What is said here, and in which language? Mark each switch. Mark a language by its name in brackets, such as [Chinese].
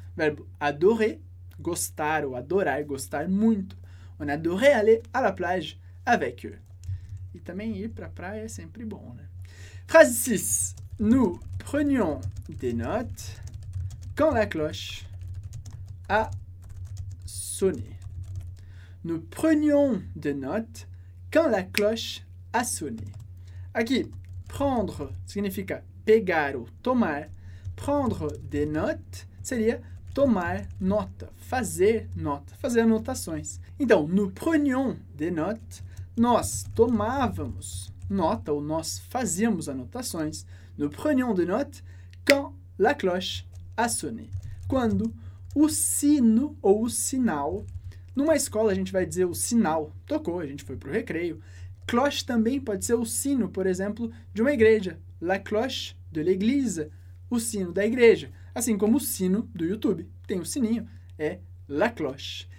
[Portuguese] Verbo adorer, gostar ou adorar, gostar muito. [French] On adorait aller à la plage avec eux. [Portuguese] E também ir pra praia é sempre bom, né? [French] Phrase 6. Nous prenions des notes quand la cloche a sonné. Nous prenions des notes quand la cloche a sonné. [Portuguese] Aqui, prendre significa pegar ou tomar. [French] Prendre des notes [Portuguese] seria tomar nota, fazer nota, fazer anotações. Então, [French] nous prenions des notes, [Portuguese] nós tomávamos nota ou nós fazíamos anotações. [French] Nous prenions des notes quand la cloche a sonné. [Portuguese] Quando o sino ou o sinal. Numa escola, a gente vai dizer o sinal tocou, a gente foi para o recreio. Cloche também pode ser o sino, por exemplo, de uma igreja. [French] La cloche de l'église, [Portuguese] o sino da igreja. Assim como o sino do YouTube, tem o sininho, é la cloche.